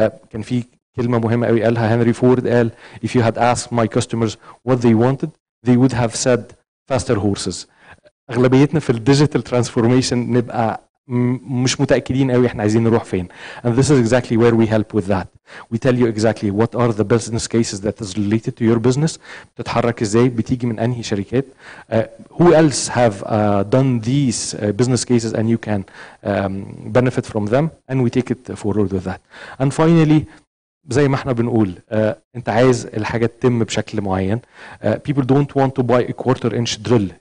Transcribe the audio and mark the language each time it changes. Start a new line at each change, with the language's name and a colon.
Arabic: كان في كلمة مهمة قوي قالها هنري فورد, قال
English: if you had asked my customers what they wanted they would have said faster horses.
Arabic: اغلبيتنا في digital transformation نبقى مش متأكدين قوي احنا عايزين نروح فين.
English: And this is exactly where we help with that. We tell you exactly what are the business cases that is related to your business.
Arabic: بتتحرك ازاي, بتيجي من انهي شركات.
English: Who else have done these business cases and you can benefit from them. And we take it forward with that. And finally,
Arabic: زي ما احنا بنقول, انت عايز الحاجة تتم بشكل معين.
English: People don't want to buy a quarter inch drill.